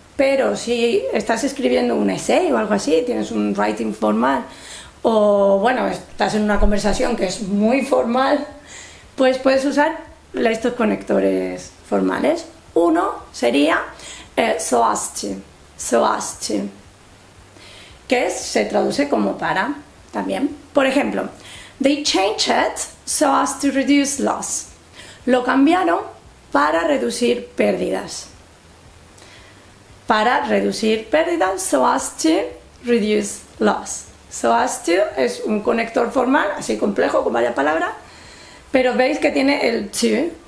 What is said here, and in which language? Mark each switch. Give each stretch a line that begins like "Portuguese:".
Spanish: Pero si estás escribiendo un essay o algo así, tienes un writing formal, o bueno, estás en una conversación que es muy formal, pues puedes usar estos conectores formales. Uno sería so as to, que es, se traduce como para también. Por ejemplo,
English: they changed it so as to reduce loss.
Spanish: Lo cambiaron para reducir pérdidas. Para reducir pérdidas,
English: so as to reduce loss.
Spanish: So as to es un conector formal, así complejo, con varias palabras, pero veis que tiene el to.